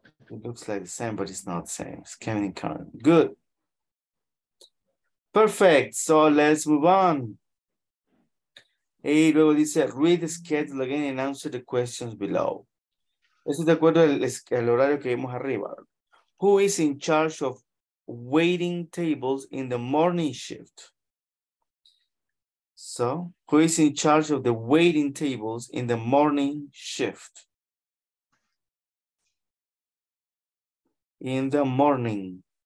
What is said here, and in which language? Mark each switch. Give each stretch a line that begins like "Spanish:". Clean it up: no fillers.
English: It looks like the same, but it's not the same. It's Kevin and Karen. Good. Perfect. So let's move on.
Spanish: Y luego dice,
English: read the schedule again and answer the questions below.
Spanish: Eso es de acuerdo al horario que vimos arriba.
English: Who is in charge of waiting tables in the morning shift? So, who is in charge of the waiting tables in the morning shift? In the morning.